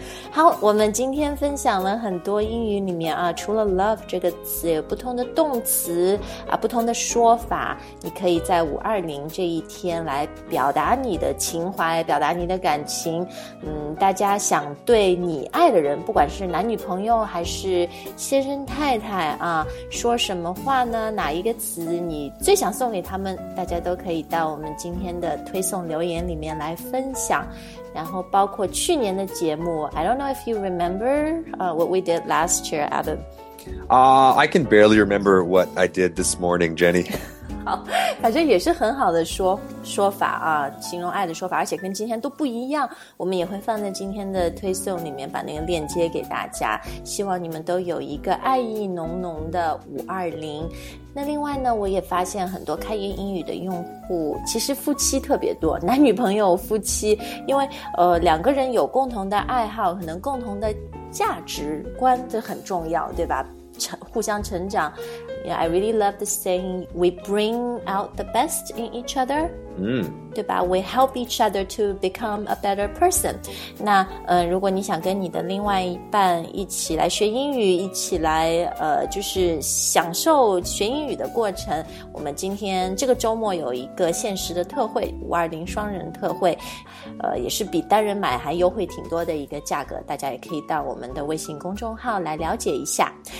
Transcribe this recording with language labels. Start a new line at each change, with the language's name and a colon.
Chinese: 好，我们今天分享了很多英语里面啊，除了 love 这个词，有不同的动词啊，不同的说法，你可以在520这一天来表达你的情怀，表达你的感情。大家想对你爱的人，不管是男女朋友还是先生太太啊，说什么话呢？哪一个词你最想送给他们？大家都可以到我们今天的推送留言里面来分享。然后包括去年的节目
English: I don't know if you remember what we did last year, Adam. I can barely remember what I did this morning, Jenny.
Chinese: 好，反正也是很好的 说法啊，形容爱的说法，而且跟今天都不一样。我们也会放在今天的推送里面，把那个链接给大家。希望你们都有一个爱意浓浓的520。那另外呢，我也发现很多开言英语的用户其实夫妻特别多，男女朋友夫妻，因为两个人有共同的爱好，可能共同的价值观这很重要，对吧？互相成长。
English: Yeah, I really love the saying we bring out the best in each other.
Chinese: 对吧？
English: We help each other to become a better person.
Chinese: 那如果你想跟你的另外一半一起来学英语，一起来就是享受学英语的过程，我们今天这个周末有一个限时的特惠，520双人特惠，也是比单人买还优惠挺多的一个价格，大家也可以到我们的微信公众号来了解一下。